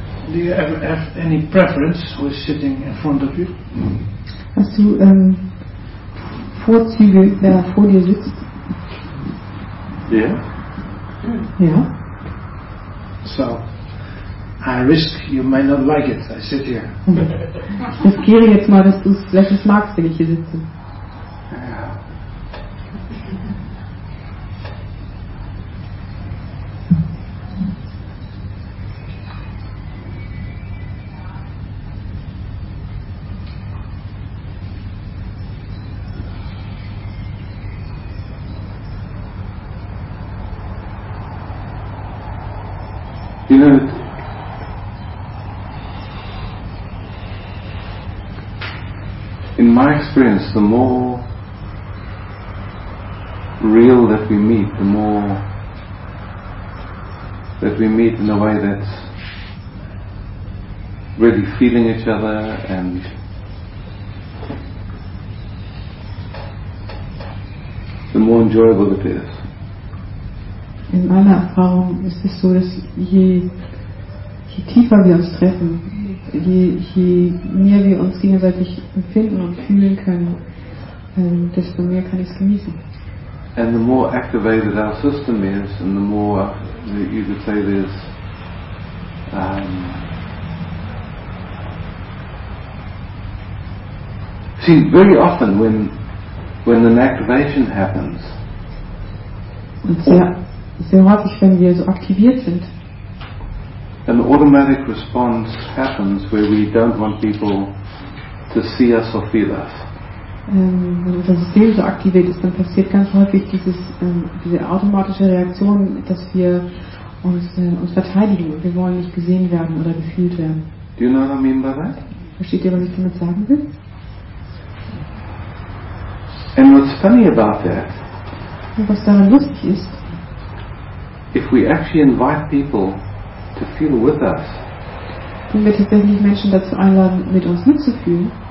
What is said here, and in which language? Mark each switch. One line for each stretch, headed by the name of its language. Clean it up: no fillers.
English: Do you ever have any preference with sitting in front of you?
German: Hast du Vorzüge, wenn er vor dir sitzt?
English: Yeah. Yeah. So, I risk you may not like it. I sit here.
German: Ich riskiere jetzt mal, dass du es vielleicht nicht magst, wenn ich hier sitze.
English: You know, in my experience, the more real that we meet, the more that we meet in a way that's really feeling each other and the more enjoyable it is.
German: In meiner Erfahrung ist es so, dass je tiefer wir uns treffen, je mehr wir uns gegenseitig empfinden und fühlen können, desto mehr kann ich es genießen.
English: And the more activated our system is, and the more, you could say there's see, very often when an activation happens,
German: sehr häufig, wenn wir so aktiviert sind,
English: an automatic response happens where we don't want people to see us or feel us.
German: Wenn unser System so aktiviert ist, dann passiert ganz häufig diese automatische Reaktion, dass wir uns verteidigen und wir wollen nicht gesehen werden oder gefühlt werden.
English: Do you know what I mean by that?
German: Versteht ihr, was ich damit sagen will?
English: And what's funny about that?
German: Und was daran lustig ist,
English: if we actually invite people to feel with us,
German: wenn wir tatsächlich Menschen dazu einladen, mit uns mitzufühlen,